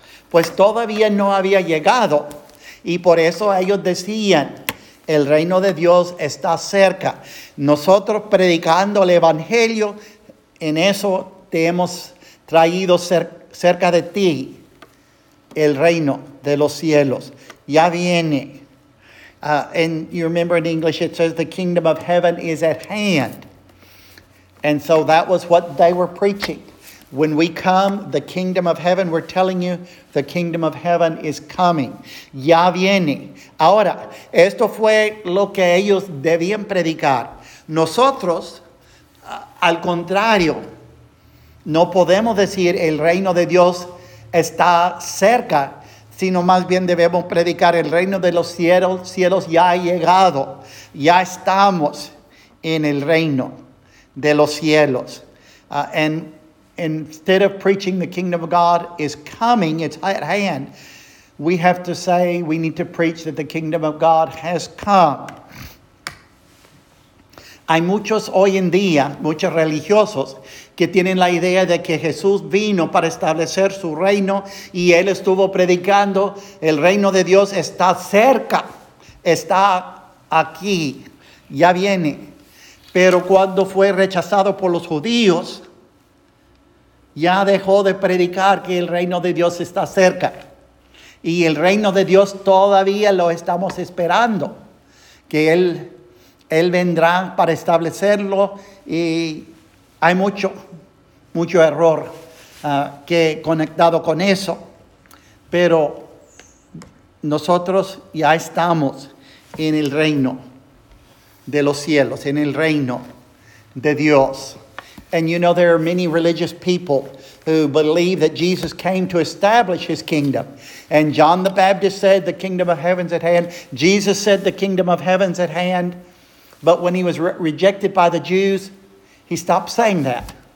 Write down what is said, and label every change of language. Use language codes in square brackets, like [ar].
[es] Pues todavía no había llegado. Y por eso ellos decían, el reino de Dios está cerca. Nosotros predicando el evangelio, en eso te hemos traído cerca de ti el reino de los cielos. Ya viene. [en] And you remember in English it says the kingdom of heaven is at hand. And so that was what they were preaching. When we come, the kingdom of heaven, we're telling you, the kingdom of heaven is coming. [es] Ya viene. Ahora, esto fue lo que ellos debían predicar. Nosotros, al contrario, no podemos decir el reino de Dios está cerca, sino más bien debemos predicar el reino de los cielos ya ha llegado. Ya estamos en el reino de los cielos. [en] And instead of preaching the kingdom of God is coming, it's at hand, we have to say, we need to preach that the kingdom of God has come. [es] Hay muchos hoy en día, muchos religiosos, que tienen la idea de que Jesús vino para establecer su reino y él estuvo predicando, el reino de Dios está cerca, está aquí, ya viene. Pero cuando fue rechazado por los judíos, ya dejó de predicar que el reino de Dios está cerca. Y el reino de Dios todavía lo estamos esperando. Que Él vendrá para establecerlo. Y hay mucho error que conectado con eso. Pero nosotros ya estamos en el reino de los cielos, en el reino de Dios. [en] And you know, there are many religious people who believe that Jesus came to establish his kingdom. And John the Baptist said, the kingdom of heaven's at hand. Jesus said, the kingdom of heaven's at hand. But when he was rejected by the Jews, he stopped saying that.